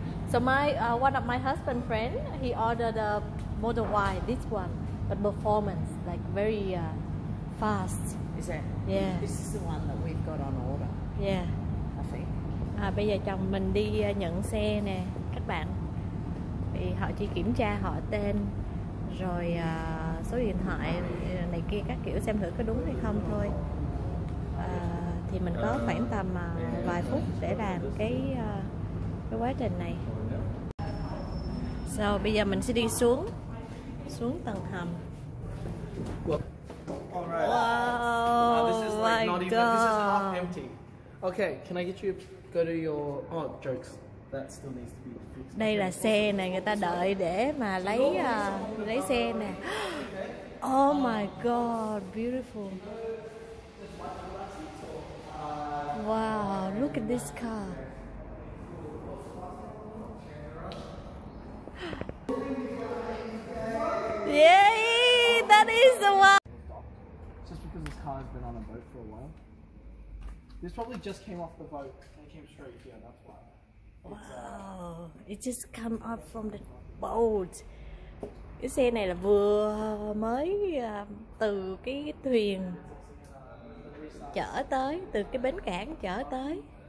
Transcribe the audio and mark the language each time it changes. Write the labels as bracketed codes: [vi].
[en] So my one of my husband friend, he ordered a Model Y, this one, but performance, like very fast. Is it? Yeah. This is the one that we've got on order. Yeah. I think. [vi] Bây giờ chồng mình đi nhận xe nè, các bạn. Thì họ chỉ kiểm tra họ tên, rồi số điện thoại này kia các kiểu xem thử có đúng hay không thôi. Thì mình có khoảng tầm vài phút để làm cái quá trình này. Sau bây giờ mình sẽ đi xuống tầng hầm. [en] All right. Wow. This is like not even, this is half empty. Okay, can I get you go to your oh jokes. That still needs to be fixed. [vi] Đây là xe nè, người ta đợi để mà lấy xe nè. [en] Oh my god, beautiful. Wow, look at this car. Yay! That is the one! Just because this car has been on a boat for a while. This probably just came off the boat and it came straight here, that's why. Wow! It just come up from the boat. [vi] Cái xe này là vừa mới từ cái thuyền chở tới, từ cái bến cảng chở tới.